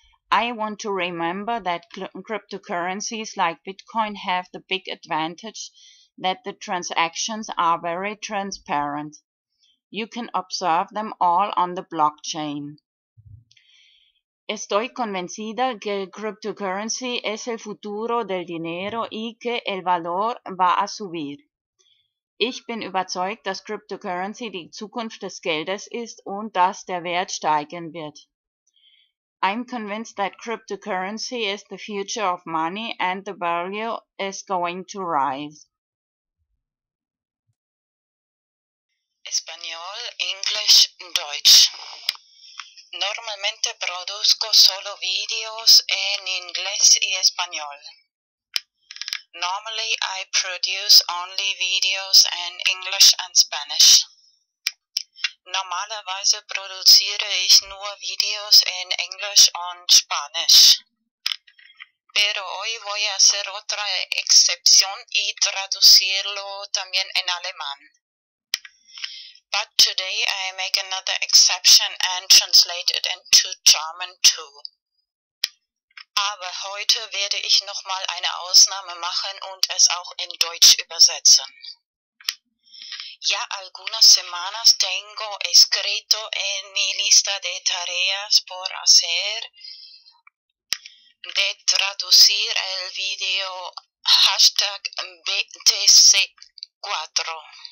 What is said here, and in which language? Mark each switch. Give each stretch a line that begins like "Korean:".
English: I want to remember that cryptocurrencies like Bitcoin have the big advantage that the transactions are very transparent. You can observe them all on the blockchain.
Spanish: Estoy convencida que cryptocurrency es el futuro del dinero y que el valor va a subir.
German: Ich bin überzeugt, dass cryptocurrency die Zukunft des Geldes ist und dass der Wert steigen wird.
English: I'm convinced that cryptocurrency is the future of money and the value is going to rise. Español, English, Deutsch.
Spanish: Normalmente produzco solo videos en inglés y español.
English: Normally I produce only videos in English and Spanish.
German: Normalerweise produziere ich nur Videos en Englisch und Spanisch.
Spanish: Pero hoy voy a hacer otra excepción y traducirlo también en alemán.
English: But today I make another exception and translate it into German too.
German: Aber heute werde ich noch mal eine Ausnahme machen und es auch in Deutsch übersetzen.
Spanish: Ya algunas semanas tengo escrito en mi lista de tareas por hacer de traducir el video hashtag BTC4.